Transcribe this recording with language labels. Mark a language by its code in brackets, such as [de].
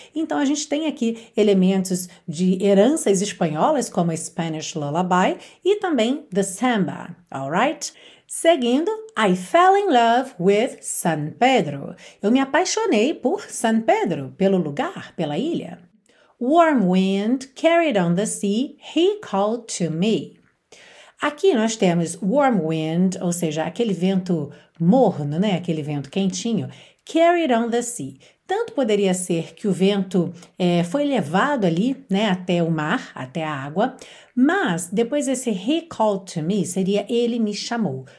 [pt] Então, a gente tem aqui elementos de heranças espanholas, como a Spanish lullaby e também [en] the samba, alright? [pt] Seguindo, [en] I fell in love with San Pedro. [pt] Eu me apaixonei por San Pedro, pelo lugar, pela ilha. [en] Warm wind carried on the sea, he called to me. [pt] Aqui nós temos warm wind, ou seja, aquele vento morno, né? Aquele vento quentinho, [en] carried on the sea. [pt] Tanto poderia ser que o vento foi levado ali, né, até o mar, até a água, mas depois esse [en] he called to me [pt] seria ele me chamou.